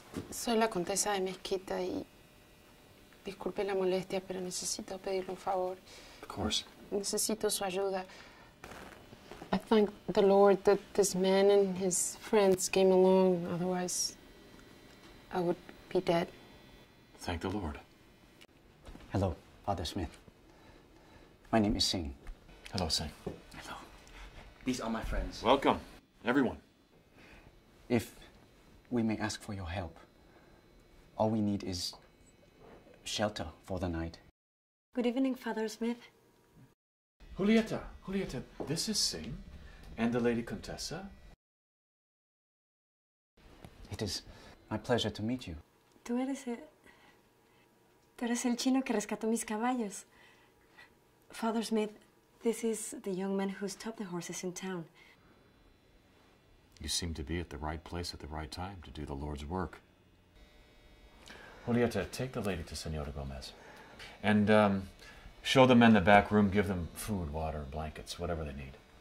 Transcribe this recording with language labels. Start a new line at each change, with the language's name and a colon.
Spanish: Soy la condesa de Mezquita y disculpe la molestia, pero necesito pedirle un favor.
English: Of course.
Spanish: Necesito su ayuda.
English: I thank the Lord that this man and his friends came along, otherwise I would be dead. Thank the Lord. Hello, Father Smith. My name is Singh. Hello, Singh. Hello. These are my friends. Welcome, everyone. If we may ask for your help, all we need is shelter for the night. Good evening, Father Smith. Julieta, this is Singh and the Lady Contessa. It is my pleasure to meet you.
Spanish: Tú eres el chino que rescató mis caballos.
English: Father Smith, this is the young man who stopped the horses in town. You seem to be at the right place at the right time to do the Lord's work. Julieta, take the lady to Senora Gomez. And show the men the back room, give them food, water, blankets, whatever they need.